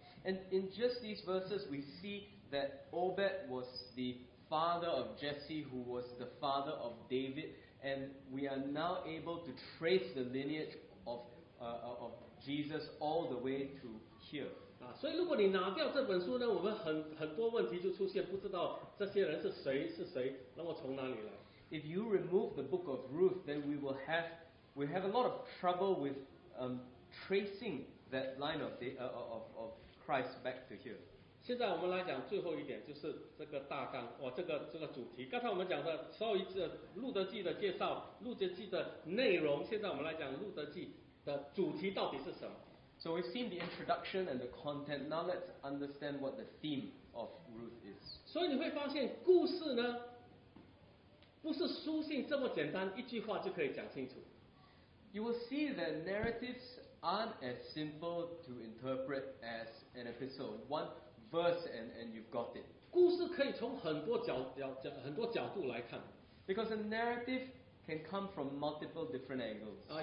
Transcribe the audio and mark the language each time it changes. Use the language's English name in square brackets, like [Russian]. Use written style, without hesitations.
[English] And in just these verses we see that Obed was the father of Jesse, who was the father of David, and we are now able to trace the lineage of Jesus all the way to here. [Chinese] 所以如果你拿掉这本书呢，我们很多问题就出现，不知道这些人是谁，那么从哪里来。 [English] If you remove the book of Ruth, then we have a lot of trouble with tracing that line of Christ back to here. [Chinese] 现在我们来讲最后一点，就是这个大纲，这个主题。刚才我们讲的稍微的路德记的介绍，路德记的内容，现在我们来讲路德记的主题到底是什么。 [English] So we've seen the introduction and the content. Now let's understand what the theme of Ruth is. [Chinese] 所以你会发现故事呢, 不是书信这么简单, 一句话就可以讲清楚。 [English] You will see that narratives aren't as simple to interpret as an episode. One verse and you've got it. [Chinese] 故事可以从很多角度来看。 [English] Because a narrative can come from multiple different angles.